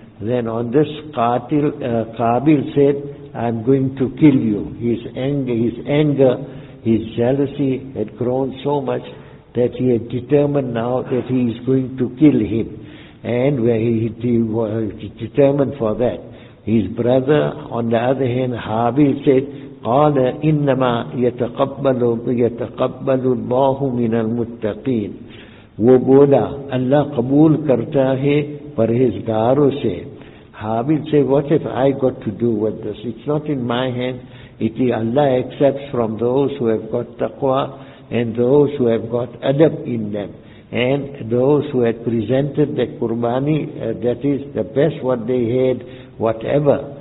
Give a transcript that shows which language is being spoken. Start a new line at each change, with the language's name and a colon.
English: Then on this, Qabil said, I'm going to kill you. His anger, his jealousy had grown so much that he had determined now that he is going to kill him. And where he was determined for that. His brother, on the other hand, Habil said,
Arabic: قَالَ إِنَّمَا يَتَقَبَّلُ اللَّهُ مِنَ الْمُتَّقِينَ,
Urdu: وہ بولا, اللہ قبول کرتا ہے پرہیزگاروں سے.
English: Habib say, what have I got to do with this? It's not in my hand. It is Allah accepts from those who have got taqwa and those who have got adab in them. And those who had presented the qurbani, that is the best what they had, whatever.